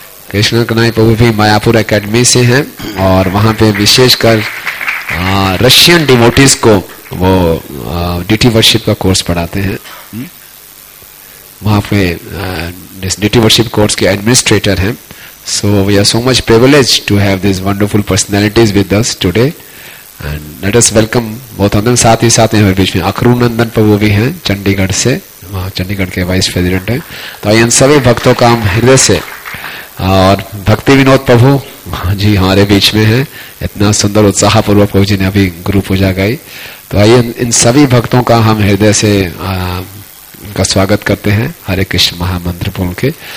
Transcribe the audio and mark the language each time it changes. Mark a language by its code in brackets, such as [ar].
[hi] कृष्ण कन्हाई प्रभु भी मायापुर एकेडमी से हैं और वहाँ पे विशेषकर रशियन डिवोटीज को वो डीटी वर्शिप का कोर्स पढ़ाते हैं, वहाँ पे डीटी वर्शिप कोर्स के एडमिनिस्ट्रेटर हैं। [en] So we are so much privileged to have these wonderful personalities with us today, and let us welcome both of them. [hi] साथ ही साथ हमारे बीच में अखरू नंदन प्रभु भी हैं चंडीगढ़ से, चंडीगढ़ के वाइस प्रेसिडेंट हैं। तो इन सभी भक्तों का हम हृदय से और भक्ति विनोद प्रभु जी हमारे बीच में हैं, इतना सुंदर उत्साह पूर्वक प्रभु जी ने अभी गुरु पूजा गई, तो आइए इन सभी भक्तों का हम हृदय से का स्वागत करते हैं हरे कृष्ण महामंत्र बोल के।